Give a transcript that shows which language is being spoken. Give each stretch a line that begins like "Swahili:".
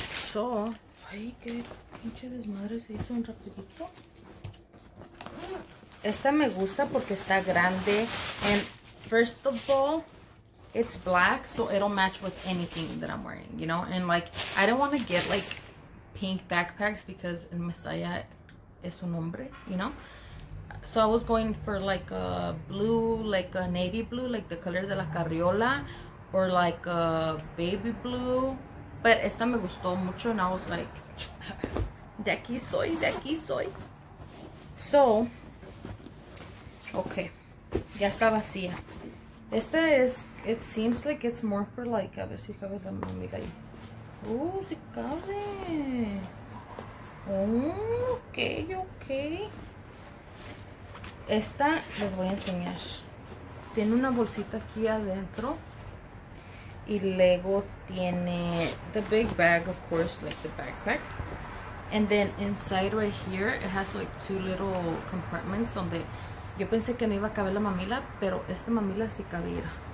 Spanish: So, ay, qué pinche desmadre se hizo un rapidito. Esta me gusta porque está grande. And
English: first of all, it's black, so it'll match with anything that I'm wearing, you know? And, like, I don't want to get, like, pink backpacks because
Spanish: el Mesaya es un hombre,
English: you know? So I was going for, like, a blue, like, a navy blue, like, the color
Spanish: de la carriola,
English: or, like, a baby blue.
Spanish: But esta me gustó mucho,
English: and I was like,
Spanish: de aquí soy, de aquí soy. So, okay. Ya está vacía. Esta es,
English: it seems like it's more for like,
Spanish: a ver si cabe la mamita ahí. Si cabe. Okay, okay. Esta les voy a enseñar. Tiene una bolsita aquí adentro. Y luego tiene
English: the big bag, of course, like the backpack. And then inside right here, it has like two little compartments on the...
Spanish: Yo pensé que no iba a caber la mamila, pero esta mamila sí cabía.